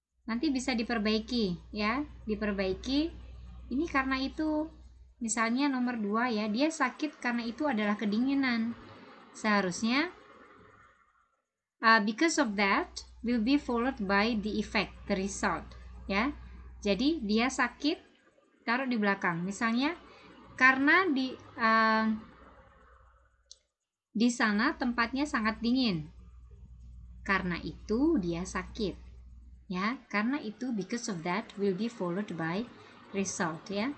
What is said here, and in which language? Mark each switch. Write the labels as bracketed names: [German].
[Indonesian] Nanti bisa diperbaiki, ya. Diperbaiki. Ini karena itu, misalnya nomor 2 ya, dia sakit karena itu adalah kedinginan. Seharusnya [English] because of that will be followed by the effect, the result, ya. [Indonesian] Jadi dia sakit, taruh di belakang. Misalnya karena di sana tempatnya sangat dingin. Karena itu dia sakit. Ya, karena itu [English] because of that will be followed by result, ya.